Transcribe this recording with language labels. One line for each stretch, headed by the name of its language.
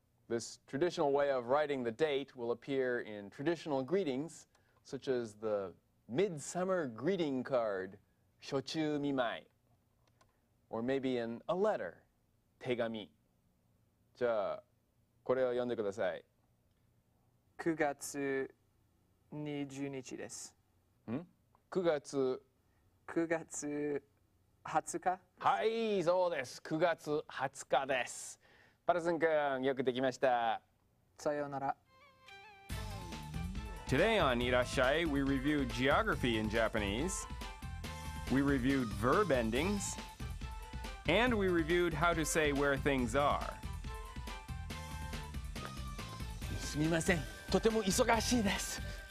English: This traditional way of writing the date will appear in traditional greetings, such as the midsummer greeting card, 初秋見舞い, or maybe in a letter, 手紙.
Japanese: じゃあ、これを読んでください。 9月20日です。ん? 9月… 9月20日? はい、そうです。9月20日です。パルスン君、よくできました。さようなら。
English: Today on Irasshai, we reviewed geography in Japanese, we reviewed verb endings, and we reviewed how to say where things are.
Japanese: すみません。とても忙しいです。